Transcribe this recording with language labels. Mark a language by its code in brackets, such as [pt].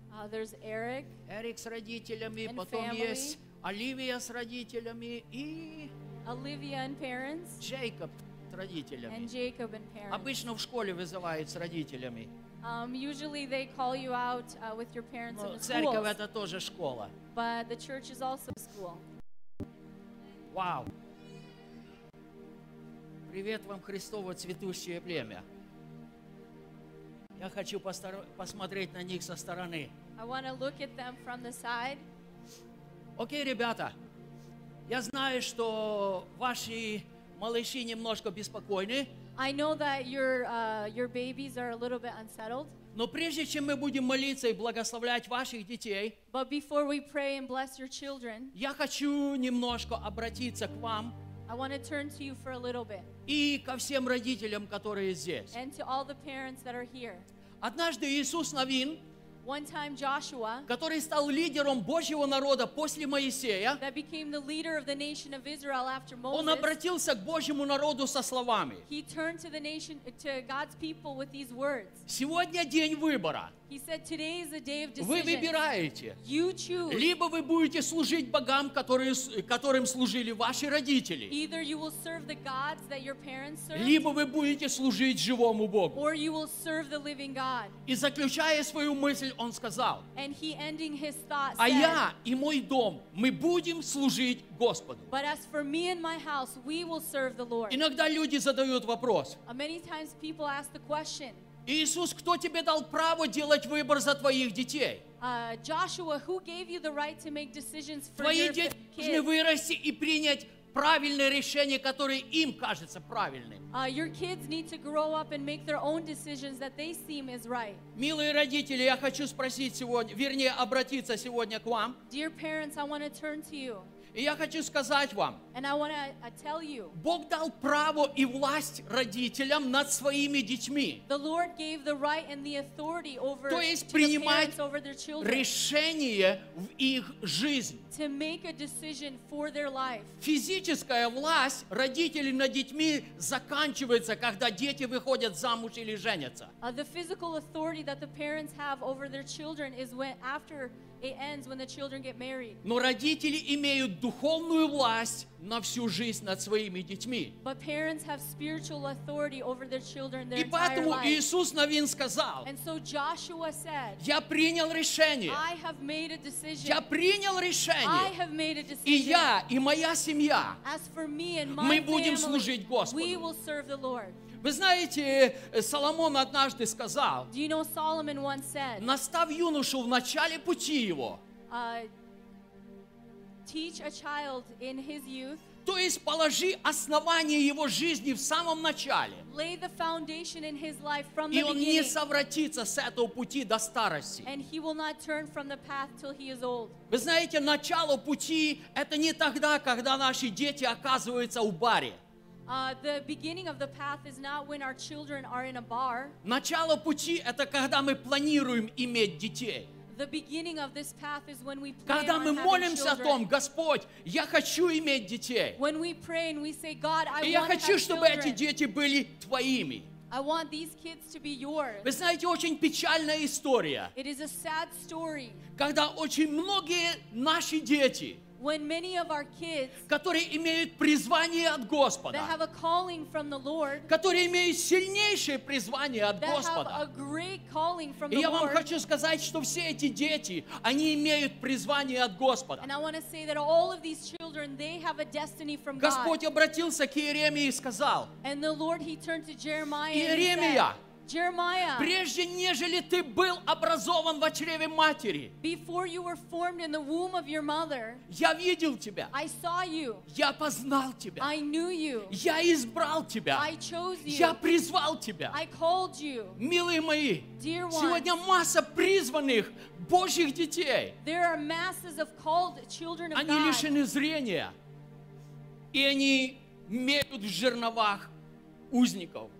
[en] There's Eric. [ru] Эрик с родителями. [en] And [ru] потом [en] family. [ru] Есть Оливия с родителями. И [en] Olivia and parents. [ru] Джейкоб. Родителями. [en] And Jacob and parents. [ru] Обычно в школе вызывают с родителями. [en] Usually they call you out with your parents [ru] Но [en] in the school. [ru] Церковь это тоже школа. [en] But the church is also a school. Wow. [ru] Привет вам, Христово цветущее племя. Я хочу посмотреть на них со стороны. [en] I want to look at them from the side. [ru] Окей, ребята. Я знаю, что ваши малыши немножко беспокойны. [en] I know that your babies are a little bit unsettled. [ru] Но прежде чем мы будем молиться и благословлять ваших детей, [en] But before we pray and bless your children, [ru] я хочу немножко обратиться к вам. [en] I want to turn to you for a little bit. [ru] И ко всем родителям, которые здесь. [en] And to all the parents that are here. [ru] Однажды Иисус Навин, [en] One time Joshua, [ru] который стал лидером Божьего народа после Моисея, [en] that became the leader of the nation of Israel after Moses, [ru] он обратился к Божьему народу со словами. [en] He turned to the nation, to God's people with these words. [ru] Сегодня день выбора. [en] He said, "Today is the day of decision." [ru] Вы выбираете. [en] You choose. [ru] Либо вы будете служить богам, которым служили ваши родители. [en] Either you will serve the gods that your parents served. [ru] Либо вы будете служить живому Богу. [en] Or you will serve the living God. [ru] И заключая свою мысль. Он сказал, [en] and he ending his thought said, [ru] а я и мой дом, мы будем служить Господу. [en] But as for me and my house, we will serve the Lord. [ru] Иногда люди задают вопрос. [en] Many times people ask the question, [ru] Иисус, кто тебе дал право делать выбор за твоих детей? [en] Joshua, who gave you the right to make decisions for [ru] Твои [en] your [ru] дети [en] kids? [ru] Должны вырасти и принять правильное решение, которое им кажется правильным. [en] Your kids need to grow up and make their own decisions that they seem is right. [ru] Милые родители, я хочу спросить сегодня, вернее, обратиться сегодня к вам. [en] Dear parents, I want to turn to you. [ru] И я хочу сказать вам. [en] And I want to tell you. [ru] Бог дал право и власть родителям над своими детьми. [en] The Lord gave the right and the authority over [ru] То есть принимать [en] over their children. [ru] Решение в их жизнь. [en] To make a decision for their life. [ru] Физическая власть родителей над детьми заканчивается, когда дети выходят замуж или женятся. [en] The physical authority that the parents have over their children is when after It ends when the children get married. [ru] Но родители имеют духовную власть на всю жизнь над своими детьми. [en] But parents have spiritual authority over their children their [ru] И поэтому [en] entire life. [ru] Иисус Навин сказал, [en] And so Joshua said, [ru] я принял решение. [en] I have made a decision. [ru] Я принял решение. [en] I have made a decision. [ru] И я и моя семья, [en] As for me and my [ru] мы будем [en] family, [ru] служить Господу. [en] We will serve the Lord. [ru] Вы знаете, Соломон однажды сказал, [en] Do you know Solomon once said, [ru] «Настав юношу в начале пути его». [en] Teach a child in his youth, [ru] то есть положи основание его жизни в самом начале. [en] Lay the foundation in his life from [ru] и [en] the [ru] он [en] beginning, [ru] не совратится с этого пути до старости. [en] And he will not turn from the path till he is old. [ru] Вы знаете, начало пути – это не тогда, когда наши дети оказываются в баре. [en] The beginning of the path is not when our children are in a bar. [ru] Начало пути – это когда мы планируем иметь детей. [en] The beginning of this path is when we plan [ru] Когда [en] on [ru] мы молимся [en] children. [ru] О том, Господь, я хочу иметь детей. [en] When we pray and we say, God, I [ru] И [en] want [ru] я хочу, [en] to have [ru] чтобы [en] children. [ru] Эти дети были твоими. [en] I want these kids to be yours. [ru] Вы знаете, очень печальная история. [en] It is a sad story. [ru] Когда очень многие наши дети [en] When many of our kids, [ru] которые имеют призвание от Господа, [en] that have a calling from the Lord, [ru] которые имеют сильнейшее призвание от [en] that [ru] Господа, [en] have a great calling from [ru] и [en] the [ru] я [en] Lord, [ru] вам хочу сказать, что все эти дети, они имеют призвание от Господа. [en] And I want to say that all of these children, they have a destiny from [ru] Господь [en] God. [ru] Господь обратился к Иеремии и сказал, [en] and the Lord, he turned to Jeremiah [ru] Иеремия, [en] and said, [ru] прежде нежели ты был образован во чреве матери, [en] before you were formed in the womb of your mother, [ru] я видел тебя, [en] I saw you, [ru] я познал тебя, [en] I knew you, [ru] я избрал тебя, [en] I chose you, [ru] я призвал тебя, [en] I called you. [ru] Милые мои, [en] dear ones, [ru] сегодня масса призванных Божьих детей. [en] There are masses of called children of God. [ru] Они лишены зрения, и они меют в жерновах узников.